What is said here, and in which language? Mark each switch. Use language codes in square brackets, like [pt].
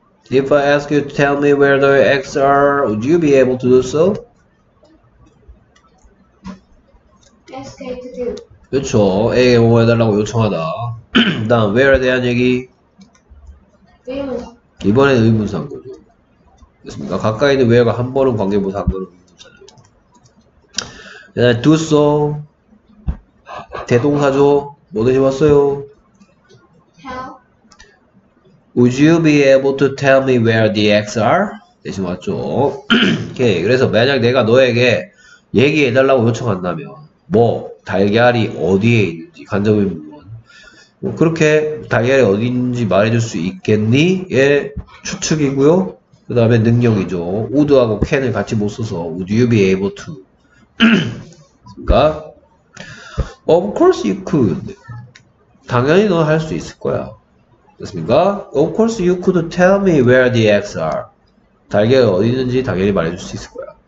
[en] If I ask you to tell me where the eggs are, would you be able to do so? Ask you to do. [ko] 그쵸. 에게 뭐 해달라고 요청하다. 다음, where에 대한 얘기. 의문사. 이번에는 의문사인 거죠. 됐습니까? 가까이 있는 where가 한 번은 관계부사, 한 번은 의문사죠. 그 다음, do so. 대동사죠. 뭐 되지 봤어요? [en] Would you be able to tell me where the eggs are? [ko] 대신 맞죠? 오케이. 그래서 만약 내가 너에게 얘기해달라고 요청한다면 뭐 달걀이 어디에 있는지 간접인 부분 뭐 그렇게 달걀이 어디 있는지 말해줄 수 있겠니? 예, 추측이고요. 그 다음에 능력이죠. would하고 can을 같이 못 써서 [en] would you be able to? [ko] 그러니까 [en] of course you could. [ko] 당연히 너 할 수 있을 거야. 됐습니까? [en] Of course you could tell me where the eggs are. [ko] 달걀이 어디 있는지 당연히 말해줄 수 있을 거야.